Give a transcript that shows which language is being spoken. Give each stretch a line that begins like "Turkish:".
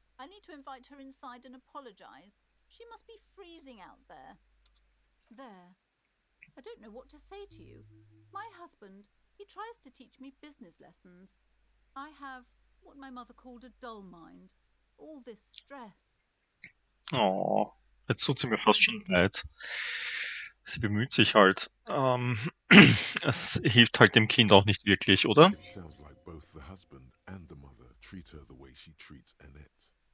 English: I need to invite her inside and apologize. She must be freezing out there. There. I don't know what to say to you. My husband, he tries to teach me business lessons. I have what my mother called a dull mind. All this stress.
German: Oh, jetzt tut sie mir fast schon leid. Sie bemüht sich halt. Es hilft halt dem Kind auch nicht wirklich, oder?
English: It sounds like both the husband and the mother treat her the way she treats Annette.